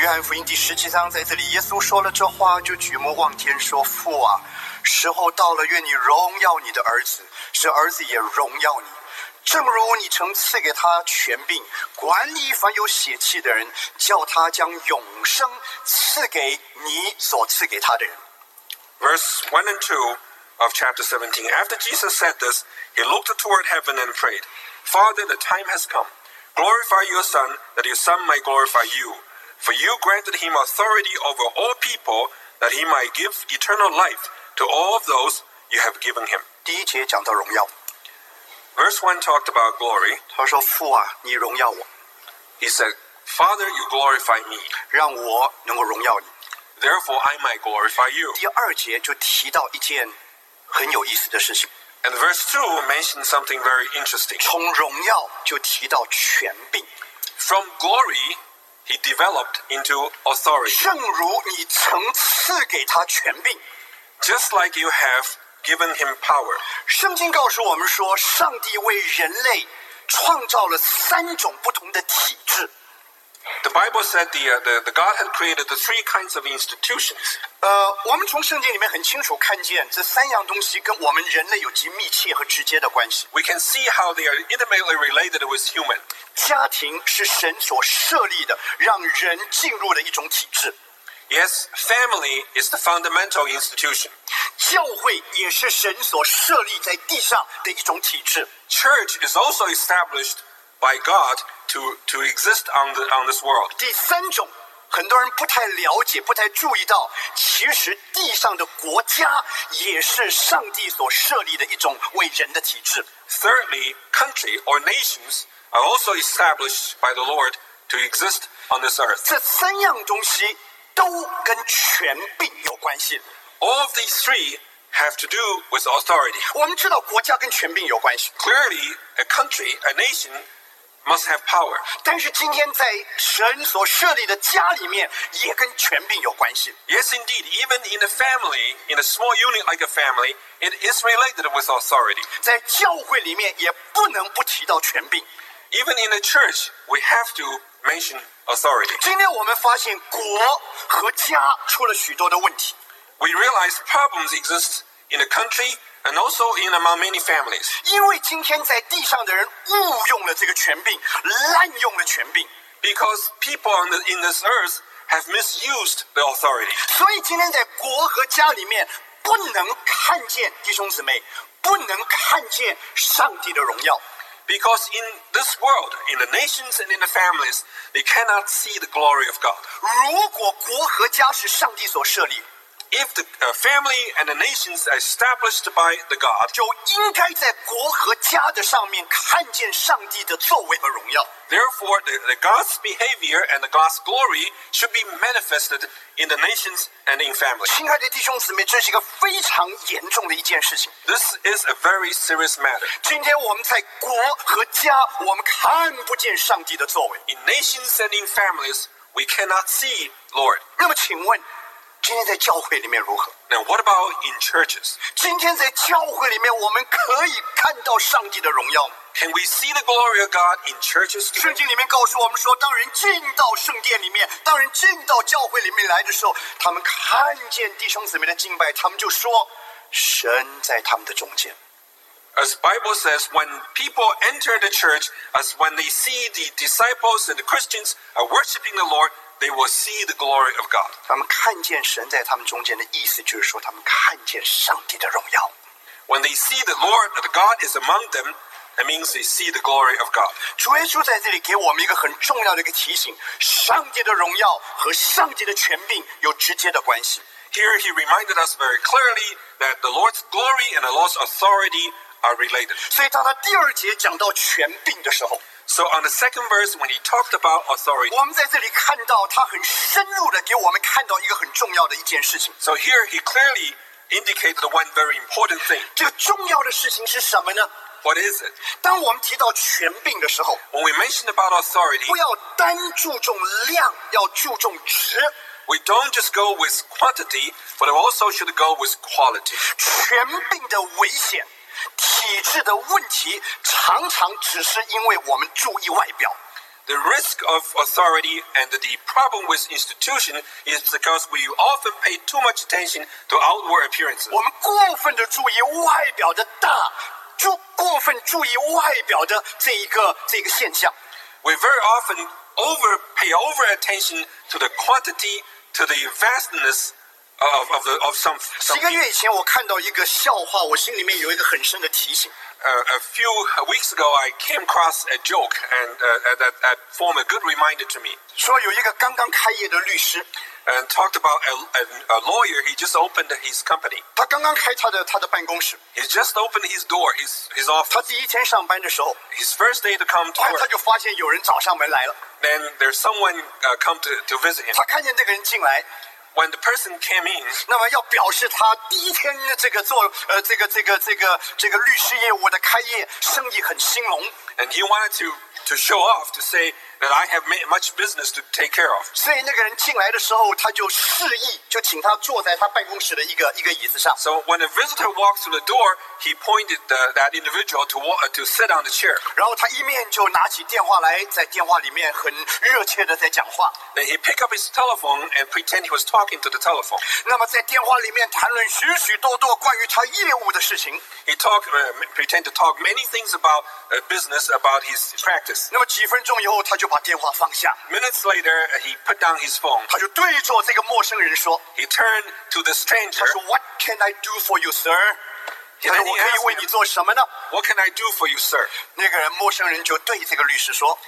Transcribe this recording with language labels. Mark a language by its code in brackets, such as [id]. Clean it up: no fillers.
[zh] 约翰福音第十七章，在这里耶稣说了这话，就举目望天说，父啊，时候到了，愿你荣耀你的儿子，使儿子也荣耀你，正如你曾赐给他权柄，管理凡有血气的人，叫他将永生赐给你所赐给他的人。 [en] Verse 1 and 2 of chapter 17. After Jesus said this, he looked toward heaven and prayed, Father, the time has come. Glorify your Son, that your Son might glorify you. For you granted him authority over all people, that he might give eternal life to all of those you have given him. [zh] 第一节讲到荣耀。 [en] Verse 1 talked about glory. [zh] 他说父啊，你荣耀我。 [en] He said, Father, you glorify me. [zh] 让我能够荣耀你。 [en] Therefore, I might glorify you. [zh] 第二节就提到一件很有意思的事情。 [en] And verse 2 mentions something very interesting. [zh] 从荣耀就提到权柄。 [en] From glory, he developed into authority. [zh] 正如你曾赐给他权柄。 [en] Just like you have given him power. [zh] 圣经告诉我们说，上帝为人类创造了三种不同的体制。 [en] The Bible said the God had created the three kinds of institutions. [zh] 我们从圣经里面很清楚看见这三样东西跟我们人类有极密切和直接的关系。 [en] We can see how they are intimately related with human. [zh] 家庭是神所设立的，让人进入的一种体制。 [en] Yes, family is the fundamental institution. [zh] 教会也是神所设立在地上的一种体制。 [en] Church is also established by God. To exist on this world. [zh] 第三种，很多人不太了解，不太注意到，其实地上的国家也是上帝所设立的一种为人的体制。 [en] Thirdly, country or nations are also established by the Lord to exist on this earth. [zh] 这三样东西都跟权柄有关系。 [en] All of these three have to do with authority. [zh] 我们知道国家跟权柄有关系。 [en] Clearly, a country, a nation. Must have power. [zh] 但是今天在神所设立的家里面也跟权柄有关系。 [en] Yes, indeed. Even in a family, in a small unit like a family, it is related with authority. [zh] 在教会里面也不能不提到权柄。 [en] Even in a church, we have to mention authority. [zh] 今天我们发现国和家出了许多的问题。 [en] We realize problems exist in a country. And also in among many families. [zh] 因为今天在地上的人误用了这个权柄，滥用了权柄。 [en] Because people in this earth have misused the authority. [zh] 所以今天在国和家里面不能看见弟兄姊妹，不能看见上帝的荣耀。 [en] Because in this world, in the nations and in the families, they cannot see the glory of God. [zh] 如果国和家是上帝所设立。 [en] If the family and the nations are established by the God, [zh] 就应该在国和家的上面看见上帝的作为和荣耀。 [en] Therefore, the God's behavior and the God's glory should be manifested in the nations and in families. [zh] 亲爱的弟兄姊妹，这是一个非常严重的一件事情。 [en] This is a very serious matter. [zh] 今天我们在国和家，我们看不见上帝的作为。 [en] In nations and in families, we cannot see Lord. [zh] 那么请问。今天在教会里面如何？ [en] Now what about in churches? [zh] 今天在教会里面我们可以看到上帝的荣耀吗？ [en] Can we see the glory of God in churches? [zh] 圣经里面告诉我们说，当人进到圣殿里面，当人进到教会里面来的时候，他们看见弟兄姊妹的敬拜，他们就说，神在他们的中间。 [en] As Bible says, when people enter the church, as when they see the disciples and the Christians are worshiping the Lord,They will see the glory of God. [zh] 他们看见神在他们中间的意思就是说，他们看见上帝的荣耀。 [en] When they see the Lord, the God is among them, that means they see the glory of God. [zh] 主耶稣在这里给我们一个很重要的一个提醒：上帝的荣耀和上帝的权柄有直接的关系。 [en] Here he reminded us very clearly that the Lord's glory and the Lord's authority are related. [zh] 所以当他第二节讲到权柄的时候。 [en] So on the second verse, when he talked about authority, [zh] 我们在这里看到他很深入地给我们看到一个很重要的一件事情。 [en] So here he clearly indicated one very important thing. [zh] 这个重要的事情是什么呢？ [en] What is it? [zh] 当我们提到权柄的时候 [en] When we mention about authority, [zh] 不要单注重量，要注重质。 [en] We don't just go with quantity, but we also should go with quality. [zh] 权柄的危险，体制的问题，常常只是因为我们注意外表。 [en] The risk of authority and the problem with institution is because we often pay too much attention to outward appearances. [zh] 我们过分的注意外表的大。就过分注意外表的这一个现象。 [en] We very often pay over attention to the quantity, to the vastness of some. [zh] 几个月以前，我看到一个笑话，我心里面有一个很深的提醒。 [en] A few weeks ago, I came across a joke, and that formed a good reminder to me. [zh] 说有一个刚刚开业的律师。 [en] And talked about a lawyer. He just opened his company. [zh] 他刚刚开他的办公室。 [en] He just opened his door. His office. [zh] 他第一天上班的时候。 [en] His first day to come to work. [zh] 他就发现有人找上门来了。 [en] Then there's someone come to visit him. [zh] 他看见那个人进来。 [en] When the person came in. [zh] 那么要表示他第一天这个做这个律师业务的开业生意很兴隆。 [en] And he wanted to show off to say. That I have made much business to take care of. [zh] 所以那个人进来的时候，他就示意，就请他坐在他办公室的一个椅子上。 [en] So when a visitor walks through the door, he pointed that individual to sit on the chair. [zh] 然后他一面就拿起电话来，在电话里面很热切的在讲话。 [en] Then he picked up his telephone and pretended he was talking to the telephone. [zh] 那么在电话里面谈论许许多多关于他业务的事情。 [en] He talked, pretend to talk many things about business, about his practice. [zh] 那么几分钟以后，他就把电话放下。 [en] Minutes later, he put down his phone. [zh] 他就对着这个陌生人说。 [en] He turned to the stranger. [zh] 他说 [en] ，What can I do for you, sir? [zh] 他说，我可以为你做什么呢 [en] ？What can I do for you, sir? [zh] 那个人陌生人就对这个律师说。